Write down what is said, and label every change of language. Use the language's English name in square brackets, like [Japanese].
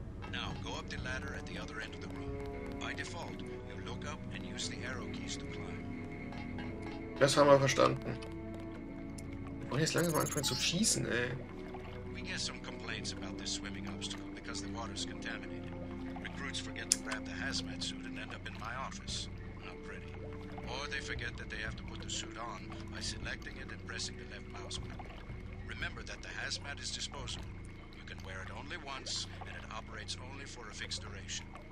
[English] Now go up the ladder at the other end of the room. By default, you look up and use the arrow keys to climb. [German] Das haben wir verstanden. Wir wollen jetzt langsam anfangen zu schießen, ey. [English] We get some complaints about this swimming obstacle because the water is contaminated. Recruits forget to grab the hazmat suit and end up in my office. Not pretty. Or they forget that they have to put the suit on by selecting it and pressing the left mouse button. Remember that the hazmat is disposable. You can wear it only once, and it operates only for a fixed duration.